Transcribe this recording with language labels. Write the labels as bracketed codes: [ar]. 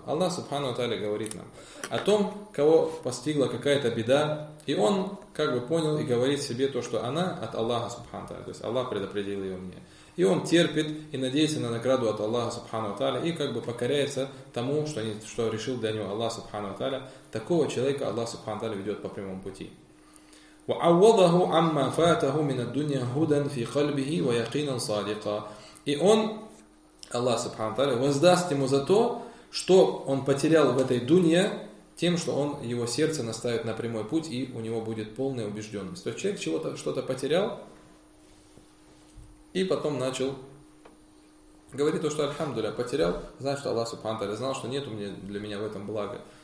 [ru] Аллах Субхана ва Та'аля говорит нам о том, кого постигла какая-то беда, и он как бы понял и говорит себе то, что она от Аллаха Субхана ва Та'аля, то есть Аллах предопределил ее мне. И он терпит и надеется на награду от Аллаха Субхана ва Та'аля и как бы покоряется тому, что решил для него Аллах Субхана ва Та'аля. Такого человека Аллах Субхана ва Та'аля ведет по прямому пути. [ar] وعوضه عما فاته من الدنيا هدى في قلبه ويقينا صادقا. [ru] И он Аллах Субхана ва Та'аля воздаст ему за то, что он потерял в этой дунье, тем, что он его сердце наставит на прямой путь, и у него будет полная убежденность. То есть человек чего-то, что-то потерял, и потом начал говорить то, что «Альхамдуля, потерял», значит, Аллах Субхана ва Та'аля знал, что нет для меня в этом блага.